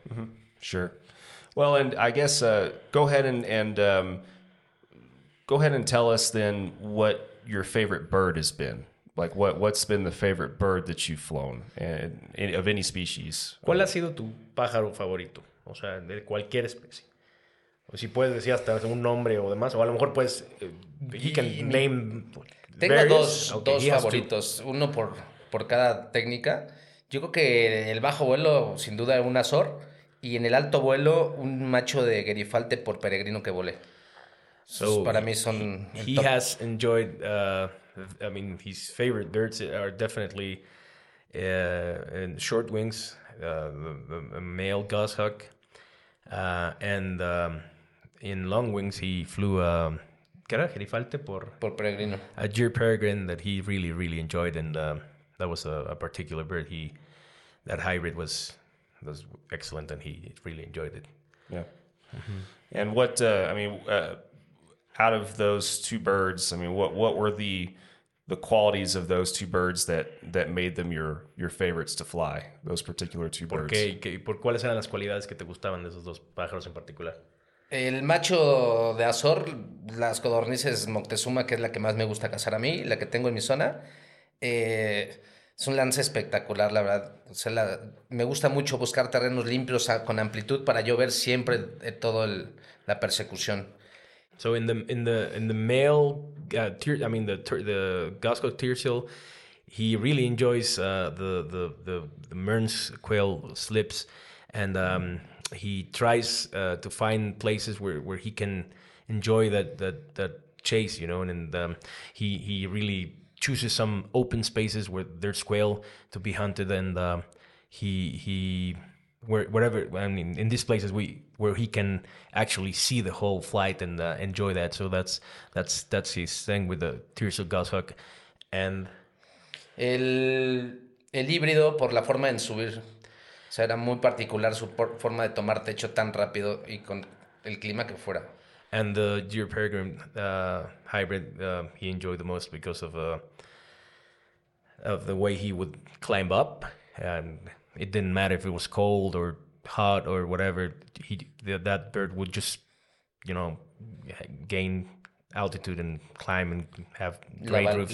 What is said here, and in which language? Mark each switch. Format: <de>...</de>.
<en>Mm-hmm. Sure. Well, and I guess go ahead and tell us then what your favorite bird has been. Like, what's been the favorite bird that you've flown of any species?</en> <es>¿Cuál ha sido tu pájaro favorito? O sea, de cualquier especie. Si puedes decir hasta un nombre o demás, o a lo mejor puedes...</es> <en>he can name...</en> <es>Tengo various? dos favoritos, uno por cada técnica. Yo creo que el bajo vuelo, sin duda, un azor, y en el alto vuelo, un macho de gerifalte por peregrino que volé.</es> <en>So</en> <es>para mí son</es> <en>he top. Has enjoyed, I mean, his favorite birds are definitely in short wings, the male goshawk, and in long wings he flew a...</en> <es>¿Qué era? Gerifalte por peregrino.</es> <en>A deer peregrine that he really, really enjoyed, and that was a particular bird. That hybrid was excellent, and he really enjoyed it. Yeah. Mm-hmm. And what, out of those two birds, I mean, what were the qualities of those two birds that made them your favorites to fly, those particular two birds?</en> <es>¿Por cuáles eran las cualidades que te gustaban de esos dos pájaros en particular? El macho de azor, las codornices Moctezuma, que es la que más me gusta cazar a mí, la que tengo en mi zona, es un lance espectacular, la verdad. O sea, me gusta mucho buscar terrenos limpios con amplitud para yo ver siempre todo la persecución.</es> <en>So in the male the goshawk tiercel, he really enjoys the Mearns quail slips, and he tries to find places where he can enjoy that chase, you know, and he really chooses some open spaces where there's quail to be hunted, and in these places where he can actually see the whole flight and enjoy that. So that's his thing with the tiercel goshawk, and</en> <es>el híbrido por la forma en subir. O sea, era muy particular su forma de tomar techo tan rápido y con el clima que fuera.</es> <en>And the deer peregrine hybrid he enjoyed the most because of the way he would climb up, and it didn't matter if it was cold or hot or whatever, that bird would just, you know, gain altitude and climb and have great roofs.</en>